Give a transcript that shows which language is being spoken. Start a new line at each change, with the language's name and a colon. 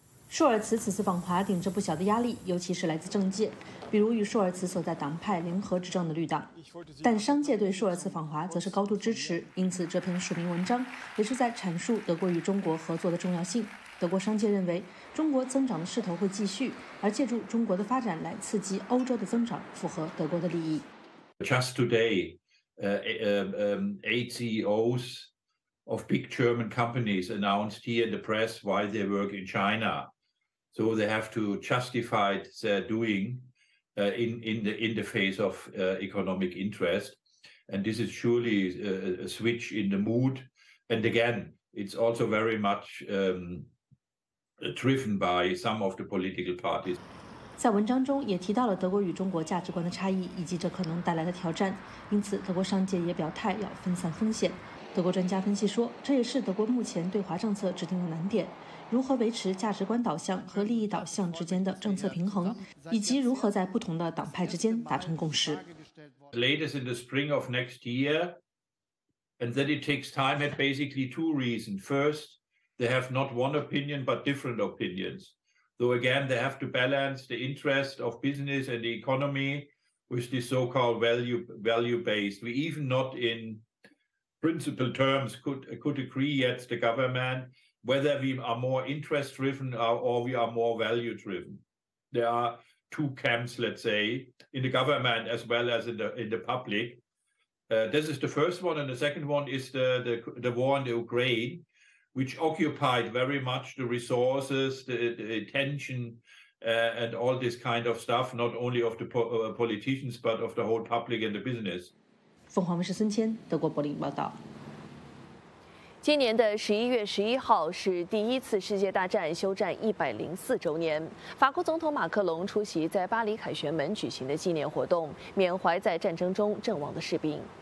Chinese: 舒尔茨此次访华顶着不小的压力，尤其是来自政界，比如与舒尔茨所在党派联合执政的绿党。但商界对舒尔茨访华则是高度支持，因此这篇署名文章也是在阐述德国与中国合作的重要性。德国商界认为，中国增长的势头会继续，而借助中国的发展来刺激欧洲的增长，符合德国的利益。
English: Just today, eight CEOs of big German companies announced here in the press why they work in China. So they have to justify their doing in the face of economic interest. And this is surely a switch in the mood. And again, it's also very much driven by some of the political parties.
Chinese: 在文章中也提到了德国与中国价值观的差异以及这可能带来的挑战，因此德国商界也表态要分散风险。德国专家分析说，这也是德国目前对华政策制定的难点，如何维持价值观导向和利益导向之间的政策平衡，以及如何在不同的党派之间达成共识。
English: Latest in the spring of next year, and that it takes time had basically two reasons. FirstThey have not one opinion, but different opinions. Though again, they have to balance the interest of business and the economy with the so-called value-based. We even not in principle terms could agree yet the government whether we are more interest-driven or we are more value-driven. There are two camps, let's say, in the government as well as in the public. This is the first one, and the second one is the war in the Ukraine. Which occupied very much the resources, the attention, and all this kind of stuff, not only of the politicians, but of the whole public and the business.
Chinese: 凤凰卫视孙谦，德国柏林报道。今年的11月11号是第一次世界大战休战104周年。法国总统马克龙出席在巴黎凯旋门举行的纪念活动，缅怀在战争中阵亡的士兵。